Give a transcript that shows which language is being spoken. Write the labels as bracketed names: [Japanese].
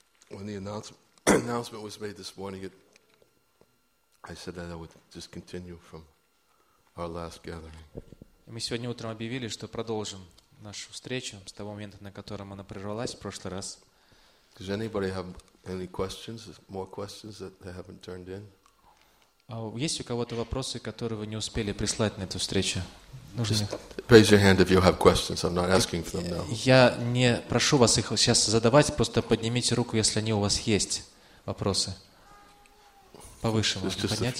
[English] When the announcement was made this morning, I said that I would just continue from our last gathering. [Russian] Мы сегодня утром объявили, что продолжим нашу встречу с того момента, на котором она прервалась в прошлый раз. [English] Does anybody have any questions, more questions that they haven't turned in? [Russian] Есть у кого-то вопросы, которые вы не успели прислать на эту встречу? [English] Raise your hand if you have questions. I'm not asking for them now. [Russian] Я не прошу вас их сейчас задавать, просто поднимите руку, если они у вас есть вопросы. Повыше можно поднять.